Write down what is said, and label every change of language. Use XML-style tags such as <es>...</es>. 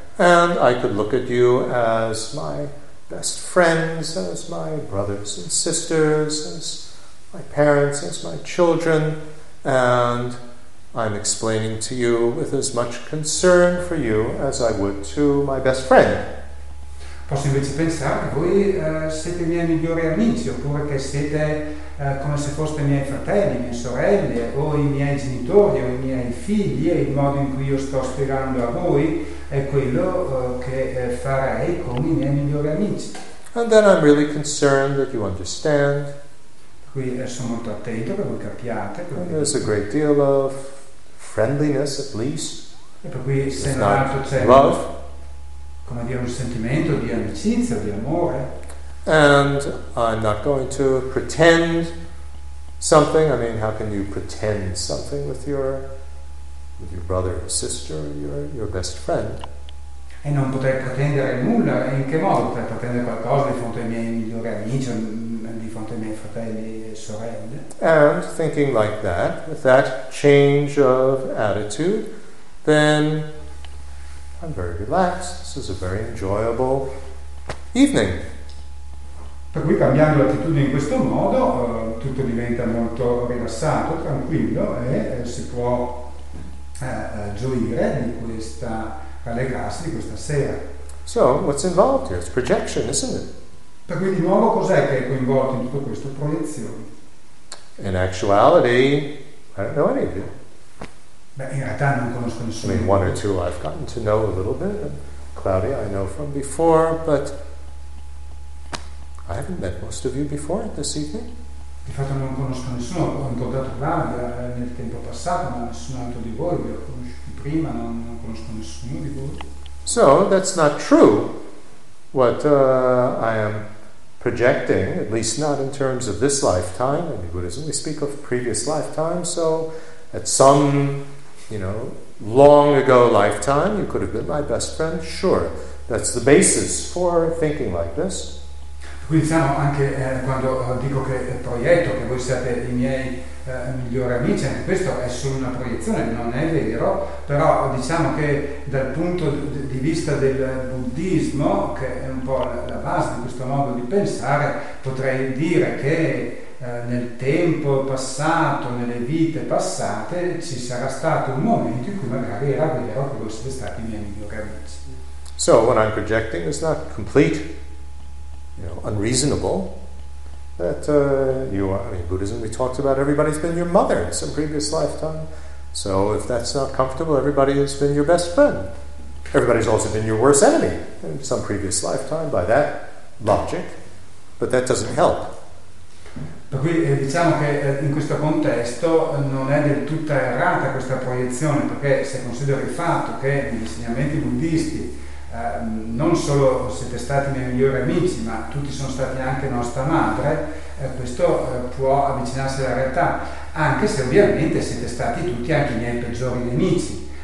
<en>And I could look at you as my best friends, as my brothers and sisters, as my parents, as my children, and I'm explaining to you with as much concern for you as I would to my best friend.</en> <it>Posso invece pensare che voi siete i miei migliori amici, oppure che siete come se foste i miei fratelli, le mie sorelle, o i miei genitori, o i miei figli, e il modo in cui io sto spiegando a voi è quello che farei con i miei migliori amici.</it> <en>And then I'm really concerned that you understand.</en> <it>Qui sono molto attento che voi capiate.</it> <en>There's a great deal of friendliness, at least.</en> <it>E per cui se non altro c'è</it> <en>love,</en> <it>come dire, un sentimento di amicizia, di amore.</it> <en>And I'm not going to pretend something. I mean, how can you pretend something with your brother or sister, your best friend?</en> <it>E non poter pretendere nulla, in che modo poter pretendere qualcosa di fronte ai miei migliori amici, di fronte ai miei fratelli e sorelle?</it> <en>And thinking like that, with that change of attitude, then I'm very relaxed. This is a very enjoyable evening.</en> <it>Per cui cambiando l'attitudine in questo modo, tutto diventa molto rilassato, tranquillo e si può gioire di questa, rallegrarsi di questa sera.</it> <en>So, what's involved here? It's projection, isn't it?</en> <it>Per cui di nuovo cos'è che è coinvolto in tutto questo? Proiezione.</it> <en>In actuality, I don't know any of you.</en> <it>Beh, in realtà non conosco nessuno.</it> <en>I mean, one or two I've gotten to know a little bit, and Claudia I know from before, but I haven't met most of you before this evening.</en> <it>Di fatto non conosco nessuno, ho incontrato Claudia nel tempo passato, ma nessun altro di voi, vi ho conosciuto prima, non conosco nessuno di voi.</it> <en>So, that's not true, what I am projecting, at least not in terms of this lifetime. In Buddhism we speak of previous lifetimes, so at some, you know, long ago lifetime, you could have been my best friend, sure. That's the basis for thinking like this.</en> <it>Quindi diciamo anche quando dico che proietto, che voi siete i miei migliori amici, anche questo è solo una proiezione, non è vero, però diciamo che dal punto di vista del buddismo, che è un po' la base di questo modo di pensare, potrei dire che nel tempo passato, nelle vite passate, ci sarà stato un momento in cui magari era vero che voi siete stati i miei migliori amici.</it> <en>So what I'm projecting is not complete. You know, unreasonable that you are, I mean, Buddhism, we talked about everybody's been your mother in some previous lifetime. So if that's not comfortable, everybody has been your best friend. Everybody's also been your worst enemy in some previous lifetime by that logic, but that doesn't help.</en> <it>Per cui diciamo che in questo contesto non è del tutto errata questa proiezione, perché se considero il fatto che gli insegnamenti buddhisti non solo siete stati i miei migliori amici, ma tutti sono stati anche nostra madre, questo può avvicinarsi alla realtà, anche se ovviamente siete stati tutti anche i miei peggiori nemici.</it>